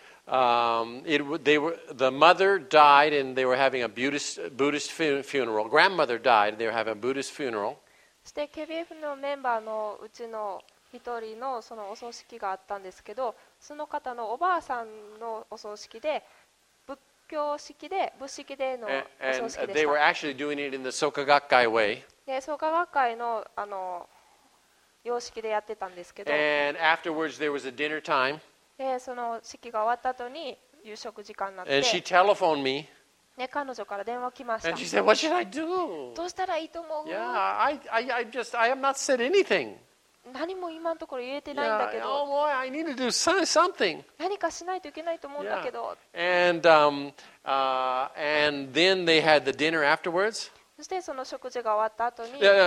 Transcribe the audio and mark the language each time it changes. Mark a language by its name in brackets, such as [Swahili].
[English] The mother died and they were having a Buddhist funeral. Grandmother died and they were having a Buddhist funeral. [Japanese] そして KBF のメンバーのうちの一人のそのお葬式があったんですけど、その方のおばあさんのお葬式で、仏教式で、仏式でのお葬式でした。 [English] And they were actually doing it in the Soka Gakkai way. [Japanese] で、Soka Gakkai の様式でやってたんですけど。 [English] And afterwards there was a dinner time. [Japanese] でその式が終わった後に夕食時間になって、 [English] And she telephoned me. [Japanese] ね、彼女から電話来ました。 [English] And she said, "What should I do?" [Japanese] どうしたらいいと思う？ [English] Yeah, I have not said anything. [Japanese] 何も今のところ言えてないんだけど。 [English] Yeah, oh boy, I need to do something. [Japanese] 何かしないといけないと思うんだけど。 Yeah. [English] And and then they had the dinner afterwards. [Japanese] そしてその食事が終わった後に、